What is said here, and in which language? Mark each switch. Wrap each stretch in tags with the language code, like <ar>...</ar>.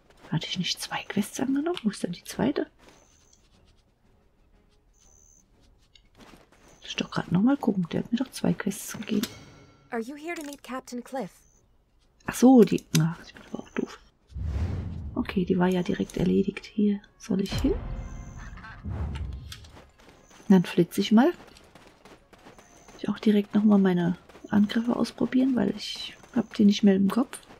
<de>Hatte ich nicht zwei Quests angenommen? Wo ist denn die zweite? Muss ich doch gerade nochmal gucken. Der hat mir doch zwei Quests gegeben.</de> <en>Are you here to meet Captain Cliff?</en> <de>Ach so, die... Ach, ich bin aber auch doof. Okay, die war ja direkt erledigt. Hier soll ich hin? Dann flitze ich mal. Ich auch direkt nochmal meine Angriffe ausprobieren, weil ich habe die nicht mehr im Kopf.</de>